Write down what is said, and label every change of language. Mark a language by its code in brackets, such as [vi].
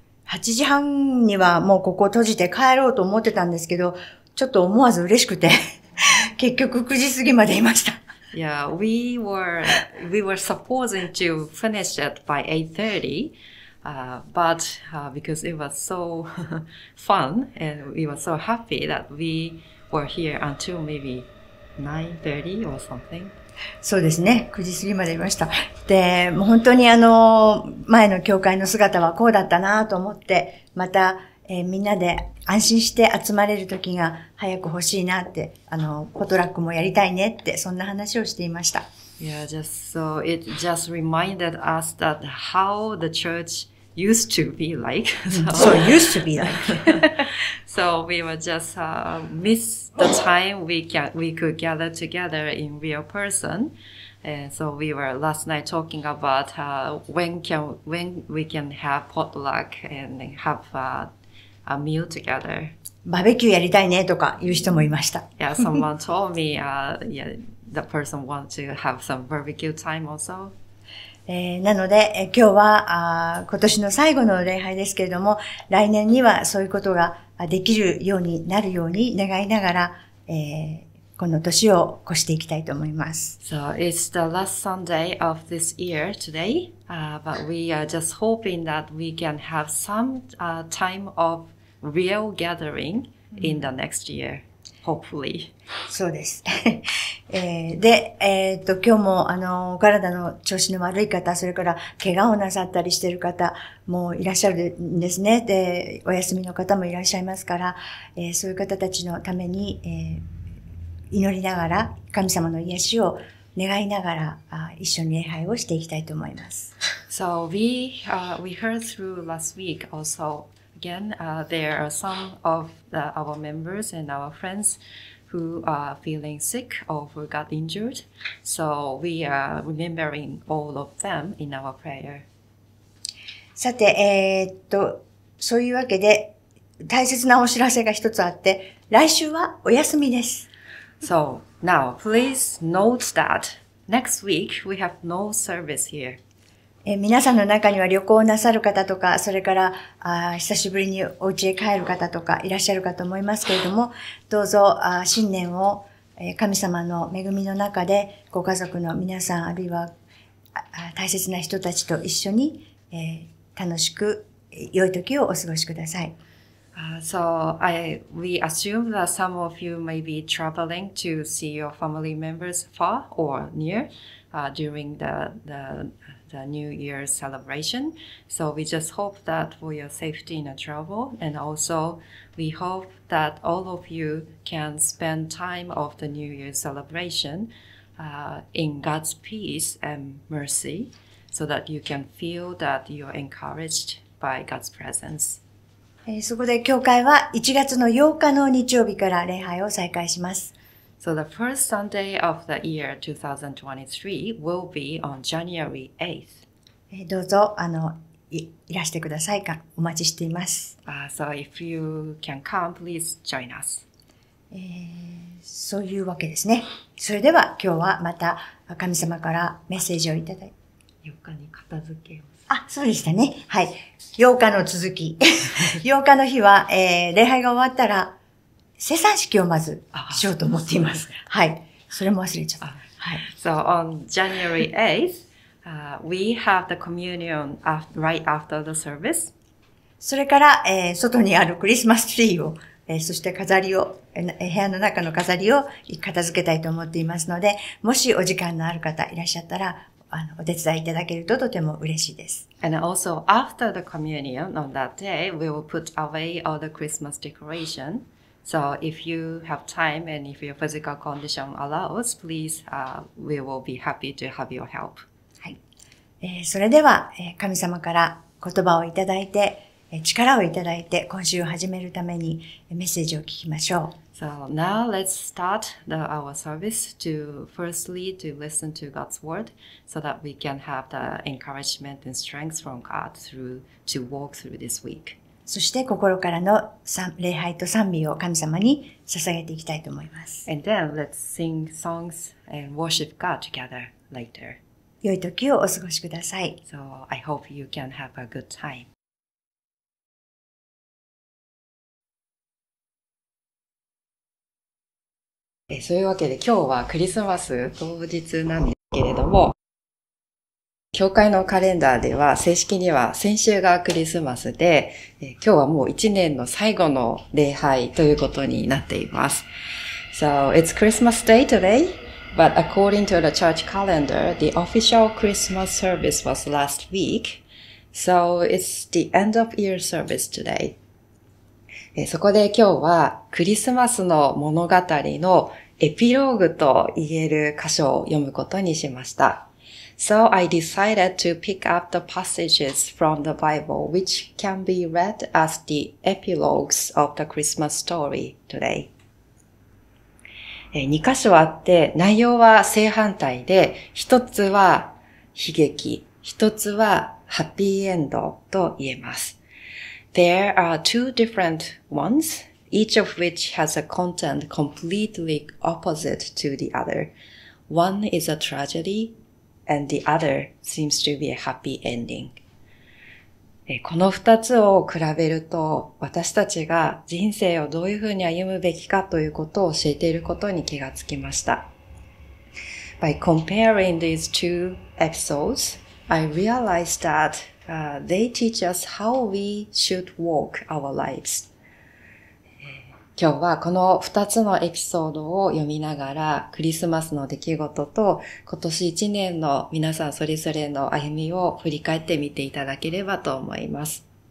[ja] 8時半にはもうここを閉じて帰ろうと思ってたんですけど、ちょっと思わず嬉しくて結局9時過ぎまでいました。 [en] Yeah, we were supposing to finish it by 8:30, but because it was so fun and we were so happy that we were here until maybe 9:30 or something. [ja] そうですね。9時過ぎまでいました。で、もう本当に前の教会の姿はこうだったなぁと思って、また、みんなで安心して集まれる時が早く欲しいなって、ポトラックもやりたいねって、そんな話をしていました。 [en] Yeah, just so it just reminded us that how the church used to be like. So, used to be like. So, we were just miss the time we could gather together in real person. So, we were last night talking about when we can have potluck and have a meal together. [ja] バーベキューやりたいねとか言う人もいました。 [en] Yeah, someone told me the person wants to have some barbecue time also. [ja] なので、今日は今年の最後の礼拝ですけれども、来年にはそういうことができるようになるように願いながら、この年を越していきたいと思います。 [en] So it's the last Sunday of this year today, but we are just hoping that we can have some time of real gathering in the next year, hopefully. [ja] そうですで、今日も、体の調子の悪い方、それから、怪我をなさったりしている方もいらっしゃるんですね。で、お休みの方もいらっしゃいますから、そういう方たちのために、祈りながら、神様の癒しを願いながら、一緒に礼拝をしていきたいと思います。 [en] So, we heard through last week also, again, there are some of our members and our friends,who are feeling sick or who got injured. So we are remembering all of them in our prayer. [ja] さて、そういうわけで大切なお知らせが一つあって、来週はお休みです。 [en] So now, please note that next week we have no service here. [ja] 皆さんの中には旅行をなさる方とか、それから久しぶりにお家へ帰る方とかいらっしゃるかと思いますけれども、どうぞ新年を神様の恵みの中で、ご家族の皆さん、あるいは大切な人たちと一緒に楽しく良い時をお過ごしください。 [en] So we assume that some of you may be traveling to see your family members far or near during the New Year celebration. So we just hope that for your safety in a travel, and also we hope that all of you can spend time of the New Year celebration in God's peace and mercy, so that you can feel that you're encouraged by God's presence. [ja] そこで教会は1月の8日の日曜日から礼拝を再開します。 [en] So the first Sunday of the year 2023 will be on January 8th. [ja] どうぞ、いらしてくださいか。お待ちしています。 [en] So if you can come, please join us. [ja] そういうわけですね。それでは今日はまた神様からメッセージをいただいて。 8日に片付けを。あ、そうでしたね。はい。8日の続き。 8日の日は、礼拝が終わったら、生産式をまずしようと思っています。はい。それも忘れちゃった。はい。 [en] So on January 8th, we have the communion right after the service. [ja] それから、外にあるクリスマスツリーを、そして飾りを、部屋の中の飾りを片付けたいと思っていますので、もしお時間のある方いらっしゃったら、お手伝いいただけるととても嬉しいです。 [en] And also, after the communion on that day, we will put away all the Christmas decoration. So if you have time and if your physical condition allows, please, we will be happy to have your help. [ja] はい。それでは、神様から言葉をいただいて、力をいただいて、今週を始めるためにメッセージを聞きましょう。 [en] So now let's start our service to firstly to listen to God's word so that we can have the encouragement and strength from God through to walk through this week. [ja] そして心からの礼拝と賛美を神様に捧げていきたいと思います。 [en] And then let's sing songs and worship God together later. [ja] 良い時をお過ごしください。 [en] So I hope you can have a good time. [ja] そういうわけで今日はクリスマス当日なんですけれども、教会のカレンダーでは正式には先週がクリスマスで、今日はもう1年の最後の礼拝ということになっています。 [en] So, it's Christmas Day today, but according to the church calendar, the official Christmas service was last week. So, it's the end of year service today. [ja] そこで今日はクリスマスの物語のエピローグと言える箇所を読むことにしました。 [en] So I decided to pick up the passages from the Bible which can be read as the epilogues of the Christmas story today. [ja] 2箇所あって内容は正反対で、一つは悲劇、一つはハッピーエンドと言えます。 [en] There are two different ones, each of which has a content completely opposite to the other. One is a tragedy, and the other seems to be a happy ending. [ja] この二つを比べると、私たちが人生をどういうふうに歩むべきかということを教えていることに気がつきました。 [en] By comparing these two episodes, I realized thatthey teach us how we should walk our lives. [ja] 今日はこの2つのエピソードを読みながらクリスマスの出来事と今年1年の皆さんそれぞれの歩みを振り返ってみていただければと思います。